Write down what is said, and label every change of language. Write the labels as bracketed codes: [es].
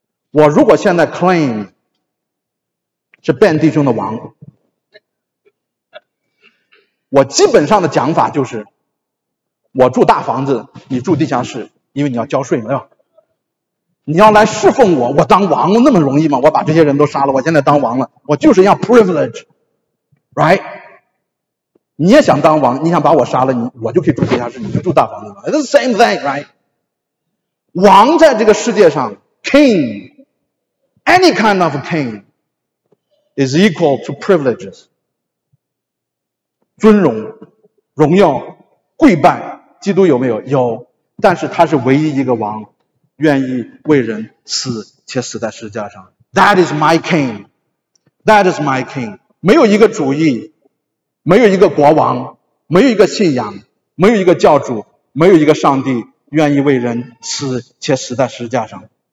[zh] 我如果现在 claim 是 Ben 弟兄的王，我基本上的讲法就是我住大房子，你住地下室，因为你要交税嘛，对吧？你要来侍奉我，我当王那么容易吗？我把这些人都杀了，我现在当王了，我就是要 [en] privilege， right？ [zh] 你也想当王，你想把我杀了，你我就可以住地下室，你就住大房子了， [en] it's the same thing， right？ [zh] 王在这个世界上 [en] king，Any kind of king is equal to privileges. [zh] 尊荣、荣耀、跪拜，基督有没有？有，但是他是唯一一个王，愿意为人死，且死在十字架上。 [en] That is my king. That is my king. [zh] 没有一个主义，没有一个国王，没有一个信仰，没有一个教主，没有一个上帝，愿意为人死，且死在十字架上。